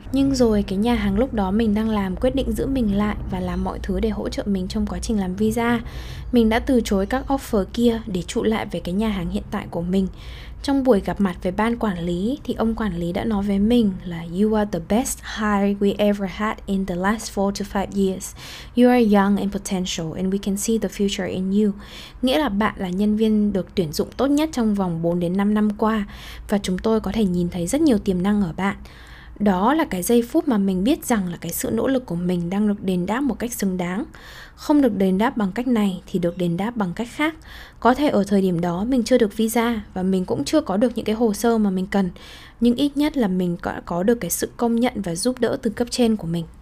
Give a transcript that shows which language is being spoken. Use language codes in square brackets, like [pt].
[vi] Nhưng rồi cái nhà hàng lúc đó mình đang làm quyết định giữ mình lại và làm mọi thứ để hỗ trợ mình trong quá trình làm visa. Mình đã từ chối các offer kia để trụ lại với cái nhà hàng hiện tại của mình. Trong buổi gặp mặt với ban quản lý thì ông quản lý đã nói với mình là [en] "You are the best hire we ever had in the last 4 to 5 years. You are young and potential and we can see the future in you." [vi] Nghĩa là bạn là nhân viên được tuyển dụng tốt nhất trong vòng 4 đến 5 năm qua và chúng tôi có thể nhìn thấy rất nhiều tiềm năng ở bạn. Đó là cái giây phút mà mình biết rằng là cái sự nỗ lực của mình đang được đền đáp một cách xứng đáng. Không được đền đáp bằng cách này thì được đền đáp bằng cách khác. Có thể ở thời điểm đó mình chưa được visa và mình cũng chưa có được những cái hồ sơ mà mình cần, nhưng ít nhất là mình đã có được cái sự công nhận và giúp đỡ từ cấp trên của mình.